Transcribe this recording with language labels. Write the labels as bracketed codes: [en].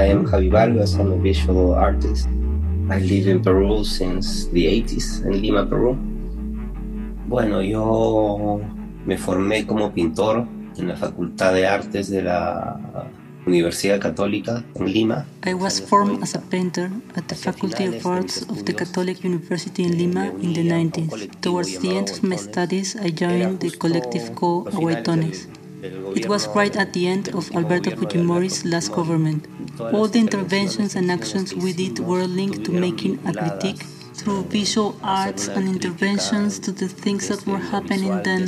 [en] Javi Vargas, I'm a visual artist. I live in Peru since the 80s, in Lima, Peru. [es] Bueno, yo me formé como pintor en la Facultad de Artes de la Universidad Católica en Lima. [en] I was formed as a painter at the Faculty of Arts of the Catholic University in Lima in the 90s. Towards the end of my studies, I joined the collective called Aguaitones. It was right at the end of Alberto Fujimori's last government. All the interventions and actions we did were linked to making a critique through visual arts and interventions to the things that were happening then.